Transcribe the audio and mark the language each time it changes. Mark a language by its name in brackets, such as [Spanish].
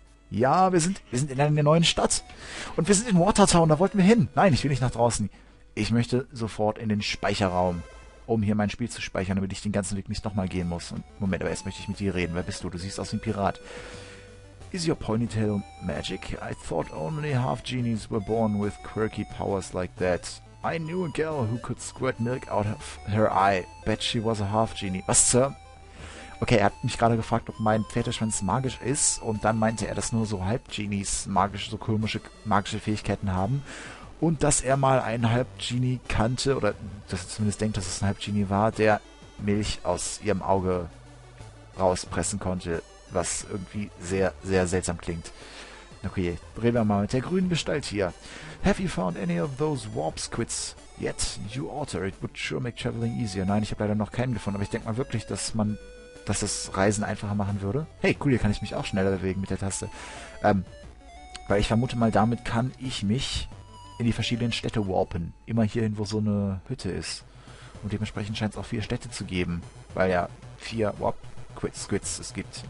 [German] Ja, wir sind in einer neuen Stadt. Und wir sind in Watertown, da wollten wir hin. Nein, ich will nicht nach draußen. Ich möchte sofort in den Speicherraum, um hier mein Spiel zu speichern, damit ich den ganzen Weg nicht nochmal gehen muss. Und Moment, aber erst möchte ich mit dir reden. Wer bist du? Du siehst aus wie ein Pirat. [English] Is your ponytail magic? I thought only half-genies were born with quirky powers like that. I knew a girl who could squirt milk out of her eye. Bet she was a half-genie. Was, Sir? [German] Okay, er hat mich gerade gefragt, ob mein Pferdeschwanz magisch ist. Und dann meinte er, dass nur so Halb-Genies magische, so komische magische Fähigkeiten haben. Und dass er mal einen Halb-Genie kannte, oder dass er zumindest denkt, dass es ein Halb-Genie war, der Milch aus ihrem Auge rauspressen konnte. Was irgendwie sehr, sehr seltsam klingt. Okay, reden wir mal mit der grünen Gestalt hier. [English] Have you found any of those warp squids yet? You alter, it would sure make traveling easier. [German] Nein, ich habe leider noch keinen gefunden, aber ich denke mal wirklich, dass das Reisen einfacher machen würde. Hey, cool, hier kann ich mich auch schneller bewegen mit der Taste. Weil ich vermute mal, damit kann ich mich in die verschiedenen Städte warpen. Immer hierhin, wo so eine Hütte ist. Und dementsprechend scheint es auch vier Städte zu geben. Weil ja, vier Warp Squids es gibt.